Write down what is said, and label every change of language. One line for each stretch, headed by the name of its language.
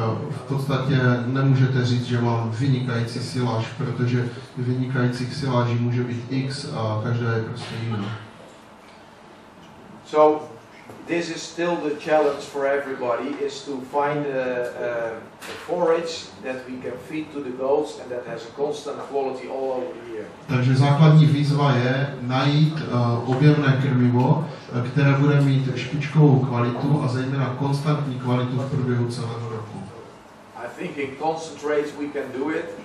Czech: V podstatě nemůžete říct, že mám vynikající siláž, protože vynikajících siláží může být X a každá je prostě jiná.
English: So this is still the challenge for everybody, is to find a forage that we can feed to the goats and that has a constant quality all over the year.
Czech: Takže základní výzva je najít objemné krmivo, které bude mít špičkovou kvalitu a zejména konstantní kvalitu v průběhu celého roku.
English: I think in concentrates we can do it.